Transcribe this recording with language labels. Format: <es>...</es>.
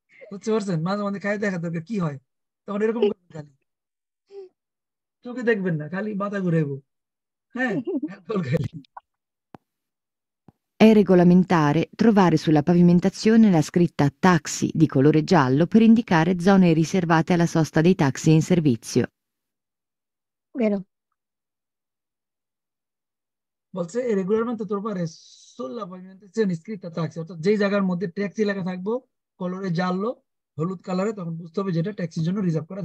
<bn>বুঝতে পারছেন মাঝে মাঝে খাই দেখা দরকার কি হয় তখন এরকম খালি চোখে দেখবেন না খালি মাথা ঘুরাইবো হ্যাঁ</bn> <it>È regolamentare trovare sulla pavimentazione la scritta taxi di colore giallo per indicare zone riservate alla sosta dei taxi in servizio. Vero. Forse è regolarmente trovare sulla pavimentazione scritta taxi,</it> <bn>যেই জায়গার মধ্যে ট্যাক্সি লেখা থাকবো</bn> <it>colore giallo,</it> <bn>হলুদ কালারে তখন বুঝতে হবে যেটা ট্যাক্সির জন্য রিজার্ভ করা</bn>